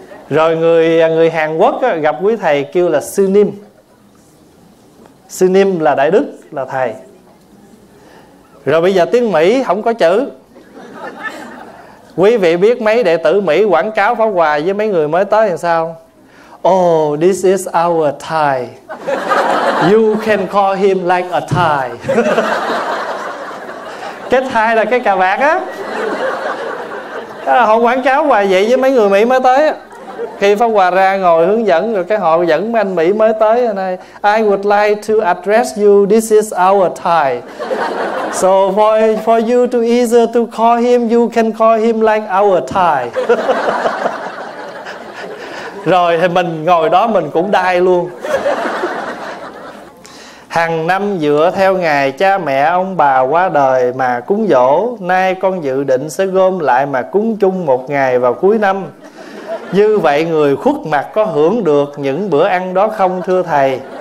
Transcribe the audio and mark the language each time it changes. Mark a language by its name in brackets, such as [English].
[Vietnamese] Rồi người Hàn Quốc á, gặp quý thầy kêu là Sư Nim. Sư Nim là Đại Đức, là thầy. Rồi bây giờ tiếng Mỹ không có chữ. Quý vị biết mấy đệ tử Mỹ quảng cáo Pháp Hòa với mấy người mới tới làm sao? [English] Oh, this is our Thai. You can call him like a Thai. [Vietnamese] Cái Thai là cái cà vạt á. Họ quảng cáo hoài vậy với mấy người Mỹ mới tới á. Khi Pháp Hòa ra ngồi hướng dẫn rồi, cái họ dẫn mấy anh Mỹ mới tới này: [English] I would like to address you, this is our Thai. So for you to either to call him, you can call him like our Thai. [Vietnamese] Rồi thì mình ngồi đó mình cũng đai luôn. Hằng năm dựa theo ngày cha mẹ ông bà qua đời mà cúng dỗ, nay con dự định sẽ gom lại mà cúng chung một ngày vào cuối năm. Như vậy người khuất mặt có hưởng được những bữa ăn đó không thưa thầy?